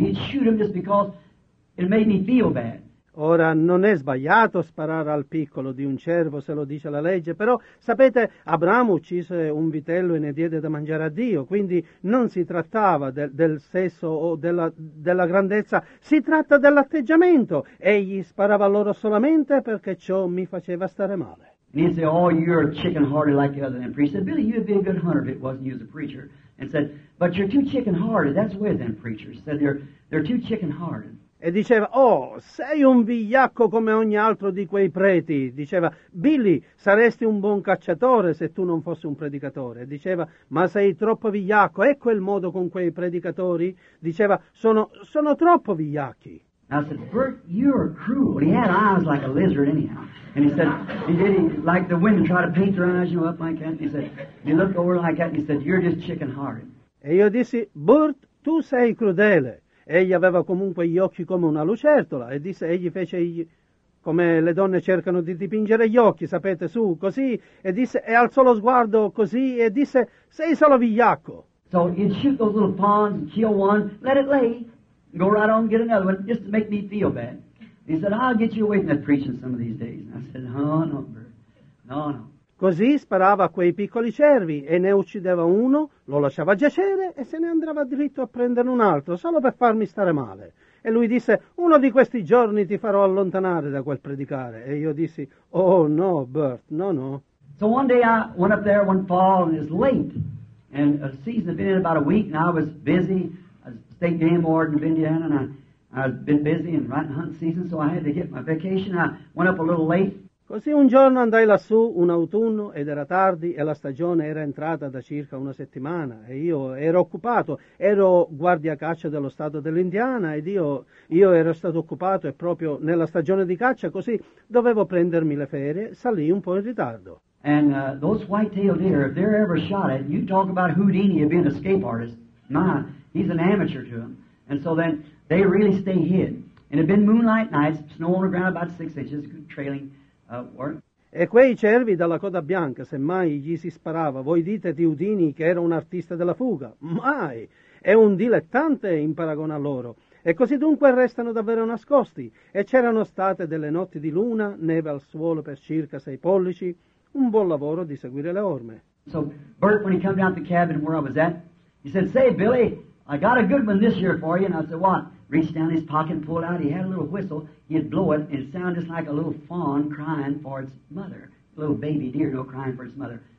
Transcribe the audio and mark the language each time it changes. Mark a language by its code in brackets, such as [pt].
[en] He'd shoot him just because it made me feel bad. [it] Ora, non è sbagliato sparare al piccolo di un cervo, se lo dice la legge, però, sapete, Abramo uccise un vitello e ne diede da mangiare a Dio, quindi non si trattava del sesso o della grandezza, si tratta dell'atteggiamento. Egli sparava a loro solamente perché ciò mi faceva stare male. [en] And he said, oh, you're chicken-hearted like the other than priest. He said, Billy, you'd be a good hunter if it wasn't you as a preacher. And said, but you're too chicken-hearted. That's with them preachers. He said, they're too chicken-hearted. [it] E diceva, oh, sei un vigliacco come ogni altro di quei preti. Diceva, Billy, saresti un buon cacciatore se tu non fossi un predicatore. Diceva, ma sei troppo vigliacco. Ecco il modo con quei predicatori. Diceva, sono troppo vigliacchi. [en] I said, Bert, you're cruel. He had eyes like a lizard anyhow. And he said, like the women try to paint their eyes, you know, up like that. He said, you look over like that. And he said, you're just chicken hearted. [it] E io dissi, Bert, tu sei crudele. Egli aveva comunque gli occhi come una lucertola e disse, egli fece come le donne cercano di dipingere gli occhi, sapete, su, così, e disse, e alzò lo sguardo così e disse, sei solo vigliacco. [en] So you shoot those little fawns and kill one, let it lay, go right on and get another one, just to make me feel bad. He said, I'll get you away from that preaching some of these days. And I said, no. [it] Così sparava a quei piccoli cervi e ne uccideva uno, lo lasciava giacere e se ne andava dritto a prendere un altro, solo per farmi stare male. E lui disse, uno di questi giorni ti farò allontanare da quel predicare. E io dissi, oh no, Bert, no. [en] So one day I went up there one fall and it's late. And a season had been in about a week and I was busy. I was state game warden of Indiana and I'd been busy in rotten hunt season, so I had to get my vacation. I went up a little late. [it] Così un giorno andai lassù, un autunno, ed era tardi e la stagione era entrata da circa una settimana e io ero occupato, ero guardia caccia dello stato dell'Indiana ed io ero stato occupato e proprio nella stagione di caccia, così dovevo prendermi le ferie, salì un po' in ritardo. [en] And those white-tailed deer, if they're ever shot at, you talk about Houdini being an escape artist. Nah, he's an amateur to them. And so then they really stay hid. And it had been moonlight nights, snow on the ground about 6 inches, trailing. [it] E quei cervi dalla coda bianca, semmai gli si sparava, voi dite di Udini che era un artista della fuga? Mai! È un dilettante in paragone a loro. E così dunque restano davvero nascosti. E c'erano state delle notti di luna, neve al suolo per circa 6 pollici, un buon lavoro di seguire le orme. [en] So Bert, when he came down to the cabin where I was at, he said, "Say, Billy, I got a good one this year for you." And I said, "What?" Reached down his pocket and pulled out. He had a little whistle. He'd blow it and it sounded just like a little fawn crying for its mother. A little baby deer, no, crying for its mother.